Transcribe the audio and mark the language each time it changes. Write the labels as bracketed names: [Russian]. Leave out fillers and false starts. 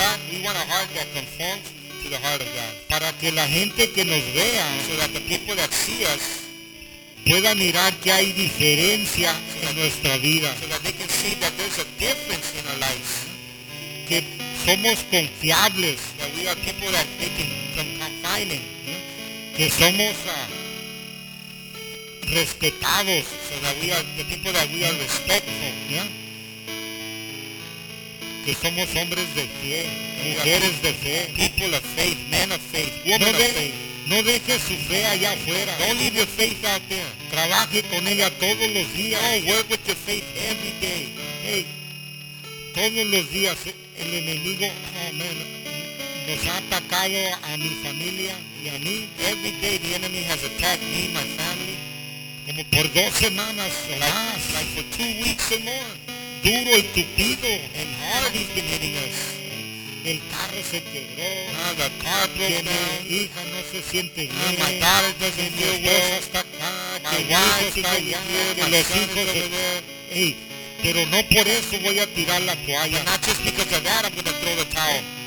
[English] We want a heart that conforms to the heart of God. [Spanish] Para que la gente que nos vea, [English] so that the people that see us, [Spanish] pueda mirar que hay diferencia en nuestra vida. [English] So that they can see that there's a difference in our lives. [Spanish] Que somos confiables. [English] That we are people that they can confide in. [Spanish] Que somos respetados. [English] So that we are the people that we are respectful. Yeah? [Spanish] Que somos hombres de fe. Mujeres de fe. [English] People of faith. Men of faith. Women of faith. [Spanish] No dejes su fe allá afuera. [English] Don't leave your faith out there. [Spanish] Trabaje con ella todos los días. [English] Hey, work with your faith every day. [Spanish] Hey, todos los días el enemigo, [English] oh man, [Spanish] nos ha atacado a mi familia y a mí. [English] Every day the enemy has attacked me, my family. [Spanish] Como por dos semanas o más. [English] Like for 2 weeks or more. [Spanish] Duro y tupido. [English] And hard he's been hitting us. [Spanish] El carro se quebró. [English] The car broke down. [Spanish] Mi hija no se siente bien. [English] My daughter doesn't feel well. [Spanish] Está acá. [English] My wife [Spanish] está allá. Los hijos se ve. Hey, pero no por eso voy a tirar la toalla. [English] And not just because of that I'm going to throw the towel.